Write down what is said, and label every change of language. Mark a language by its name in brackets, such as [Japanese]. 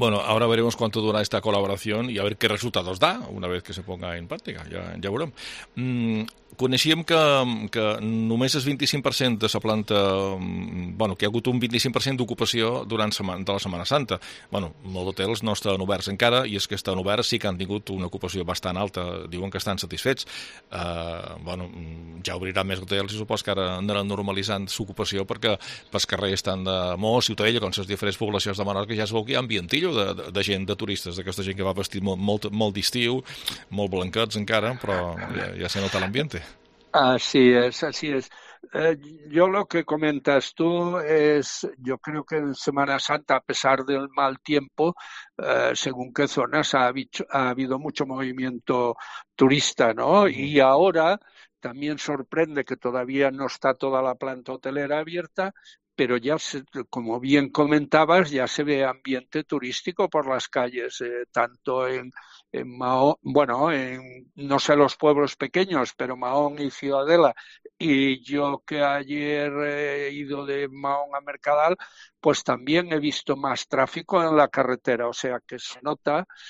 [Spanish] Bueno, ahora veremos cuánto dura esta colaboración y a ver qué resultados da una vez que se ponga en práctica, [Catalan] ya veurem. Coneixíem que només el 25% de la planta... Bueno, que hi ha hagut un 25% d'ocupació durant de la Setmana Santa. Bueno, molts hotels no estan oberts encara, i és que estan oberts sí que han tingut una ocupació bastant alta. Diuen que estan satisfets. Bueno, ja obriran més hotels i suposo que ara aniran normalitzant l'ocupació perquè pel carrer estan de Mos, Ciutadella, com les diferents poblacions de Menorca, ja es veu que hi ha ambientillo de gent, de turistes, d'aquesta gent que va vestit molt d'estiu, molt blanquets encara, però ja se nota l'ambiente. [Spanish] Así es, así es. Yo lo que comentas tú es, yo creo que en Semana Santa, a pesar del mal tiempo, según qué zonas ha habido mucho movimiento turista, ¿no? Y ahora también sorprende que todavía no está toda la planta hotelera abierta, pero ya, como bien comentabas, ya se ve ambiente turístico por las calles, tanto en Mahón, bueno, en, no sé, los pueblos pequeños, pero Mahón y Ciudadela, y yo que ayer he ido de Mahón a Mercadal, pues también he visto más tráfico en la carretera, o sea que se nota.